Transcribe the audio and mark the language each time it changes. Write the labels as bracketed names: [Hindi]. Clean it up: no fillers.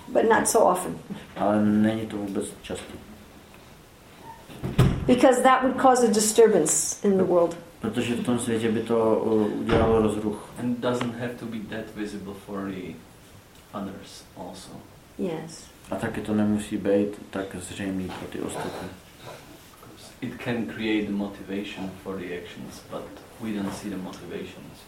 [English] But not so often. [Czech] Ale není to vůbec často. [English] Because that would cause a disturbance in the world. [Czech] Protože v tom světě by to udělalo rozruch. [English] And doesn't have to be that visible for the others also. Yes. [Czech] A taky to nemusí být tak zřejmý pro ty ostatní. [English] It can create the motivation for the actions, but we don't see the motivations.